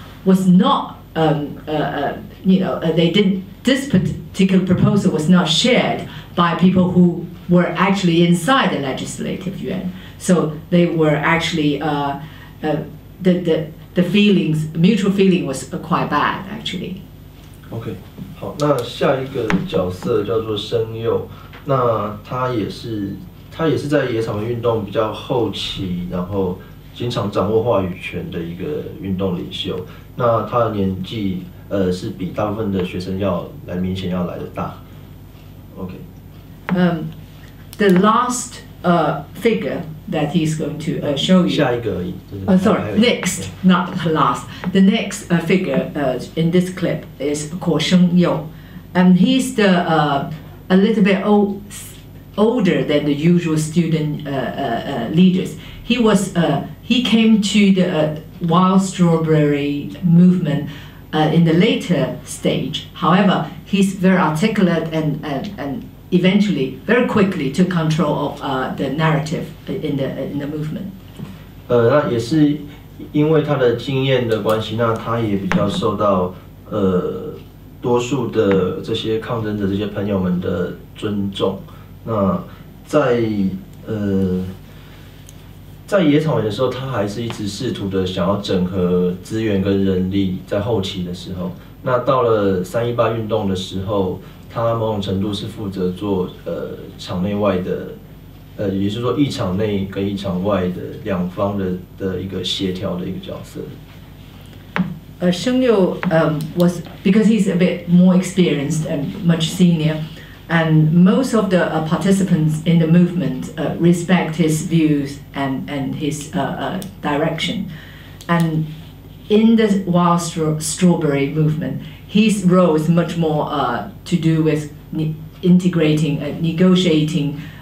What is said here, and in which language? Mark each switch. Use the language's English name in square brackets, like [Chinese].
[English] Was not, they didn't, this particular proposal was not shared by people who were actually inside the legislative yuan. So they were actually, the mutual feeling was quite bad actually. [Chinese] OK， 好，那下一个角色叫做生佑，那他也是在野草莓运动比较后期，然后经常掌握话语权的一个运动领袖。那他的年纪是比大部分的学生要来的大。 OK， [English] The last figure that he's going to show you. [Chinese] 下一个而已。 [English] Next, not last. The next figure in this clip is called Sheng Yu, and he's the a little bit older than the usual student leaders. He was he came to the Wild Strawberry movement in the later stage. However, he's very articulate and eventually very quickly took control of the narrative in the movement. [Chinese] 那也是。因为他的经验的关系，那他也比较受到多数的这些抗争者这些朋友们的尊重。那在野草莓的时候，他还是一直试图的想要整合资源跟人力。在后期的时候，那到了三一八运动的时候，他某种程度是负责做场内外的。也就是说，一场内跟一场外的两方 的一个协调的一个角色。 [English] Sheng Yu was because he's a bit more experienced and much senior, and most of the participants in the movement respect his views and his direction. And in the Wild Strawberry movement, his role is much more to do with integrating and negotiating.